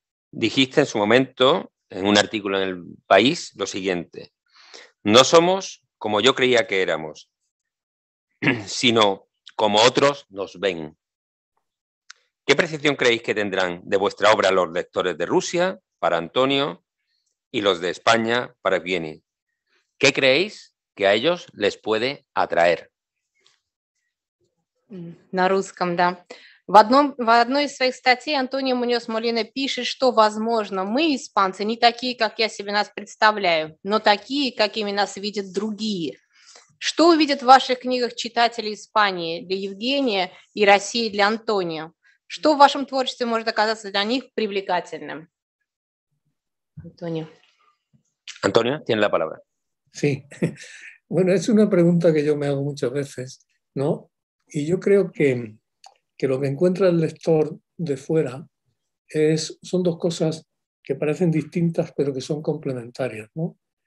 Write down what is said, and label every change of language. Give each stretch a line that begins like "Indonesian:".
Spanish: Dijiste en su momento, en un artículo en El País, lo siguiente: no somos como yo creía que éramos, sino como otros nos ven. ¿Qué percepción creéis que tendrán de vuestra obra los lectores de Rusia, para Antonio, y los de España, para Evgeny? ¿Qué creéis que a ellos les puede atraer?
Russian: На русском, да. В одной из своих статей Антонио Муньос Молина пишет, что, возможно, мы, испанцы, не такие, как я себе нас представляю, но такие, какими нас видят другие. Что увидят в ваших книгах читатели Испании для Евгения и России для Антонио? Что в вашем творчестве может оказаться для них привлекательным?
Spanish: Антонио, tiene la palabra. Sí. Bueno, es una pregunta que yo me hago muchas veces, ¿no? Y yo creo que lo que encuentra el lector de fuera son dos cosas que parecen distintas, pero que son complementarias, ¿no?